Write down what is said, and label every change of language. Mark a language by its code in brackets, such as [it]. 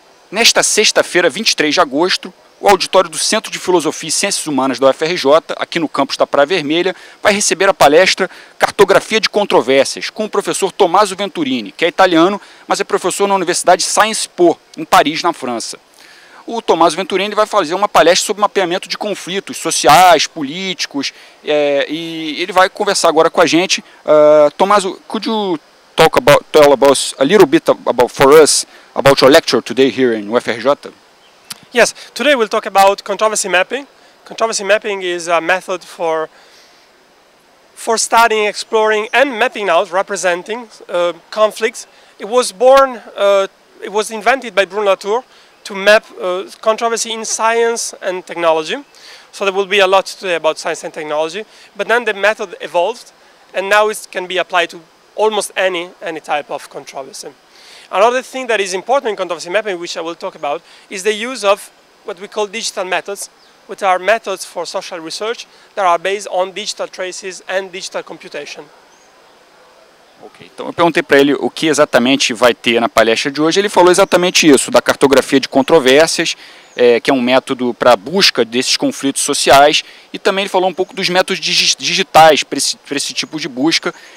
[pt] Nesta sexta-feira, 23 de agosto, o auditório do Centro de Filosofia e Ciências Humanas da UFRJ, aqui no campus da Praia Vermelha, vai receber a palestra Cartografia de Controvérsias, com o professor Tommaso Venturini, que é italiano, mas é professor na Universidade Sciences Po, em Paris, na França. O Tommaso Venturini vai fazer uma palestra sobre mapeamento de conflitos sociais, políticos, e ele vai conversar agora com a gente. [en] Tommaso, could you talk about, tell us a little bit about, for us, about your lecture today here in UFRJ? Yes, today we'll talk about controversy mapping. Controversy mapping is a method for studying, exploring, and mapping out, representing conflicts. It was born, it was invented by Bruno Latour to map controversy in science and technology. So there will be a lot today about science and technology. But then the method evolved, and now it can be applied to almost any type of controversy. Another thing that is important in controversy mapping, which I will talk about, is the use of what we call digital methods, which are methods for social research that are based on digital traces and digital computation. Okay. [pt] Então, eu perguntei para ele o que exatamente vai ter na palestra de hoje. Ele falou exatamente isso, da cartografia de controvérsias, que é um método para a busca desses conflitos sociais, e também ele falou um pouco dos métodos digitais para esse tipo de busca.